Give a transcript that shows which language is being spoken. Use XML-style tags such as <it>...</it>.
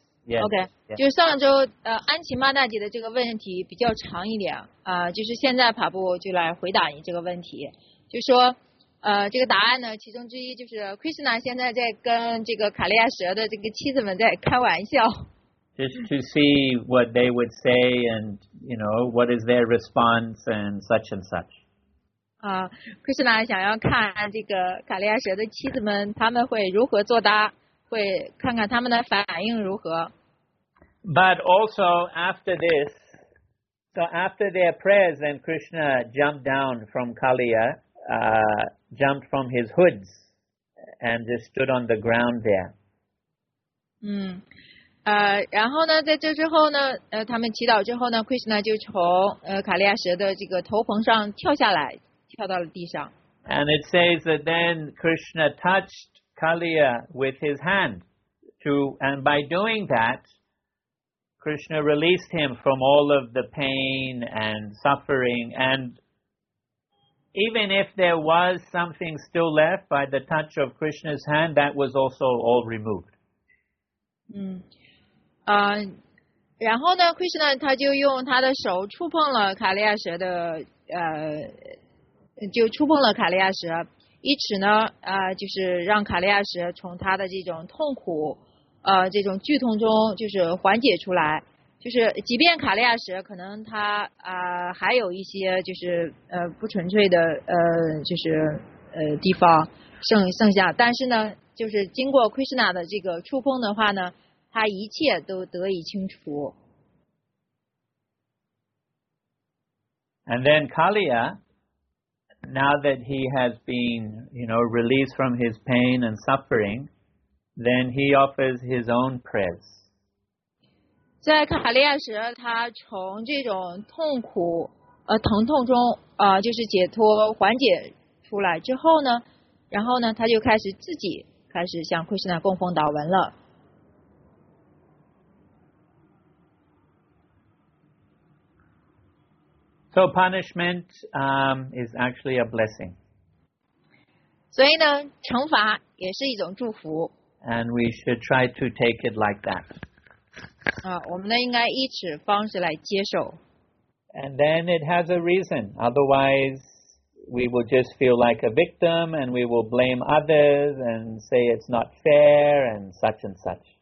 <zh>Okay. 就上周安琪妈大姐的这个问题比较长一点就是现在爬布就来回答你这个问题。就说这个答案呢其中之一就是 Krishna 现在在跟这个卡利亚蛇的这个妻子们在开玩笑。</zh> <en>Just to see what they would say and, you know, what is their response and such and such.</en> <zh>Krishna 想要看这个卡利亚蛇的妻子们他们会如何作答会看看他们的反应如何</zh> <en>But also after this So after their prayers then Krishna jumped down from Kaliya jumped from his hoods and just stood on the ground there</en> <zh>然后呢在这之后呢他们祈祷之后呢 Krishna 就从卡利亚蛇的这个头棚上跳下来跳到了地上。</zh> <en>And it says that then Krishna touched Kaliya with his hand, and by doing that, Krishna released him from all of the pain and suffering. And even if there was something still left by the touch of Krishna's hand, that was also all removed.</en> <zh>然后呢 ，Krishna 他就用他的手触碰了卡利亚蛇的就触碰了卡利亚蛇，以此呢，就是让卡利亚蛇从他的这种痛苦，这种剧痛中就是缓解出来。就是即便卡利亚蛇可能他还有一些就是不纯粹的就是地方剩下，但是呢，就是经过 Krishna 的这个触碰的话呢，他一切都得以清除。</zh> <en>And then Kaliya. Now that he has been, you know, released from his pain and suffering, then he offers his own prayers.</en> <zh>在看哈利亚时，他从这种痛苦疼痛中就是解脱缓解出来之后呢，然后呢他就开始自己开始向库什纳供奉祷文了。</zh> <en>So punishment is actually a blessing.</en> <zh>所以呢，惩罚也是一种祝福。</zh> <en>And we should try to take it like that.</en> <zh>我们呢应该以此方式来接受。</zh> <en>And then it has a reason. Otherwise, we will just feel like a victim, and we will blame others, and say it's not fair, and such and such.</en>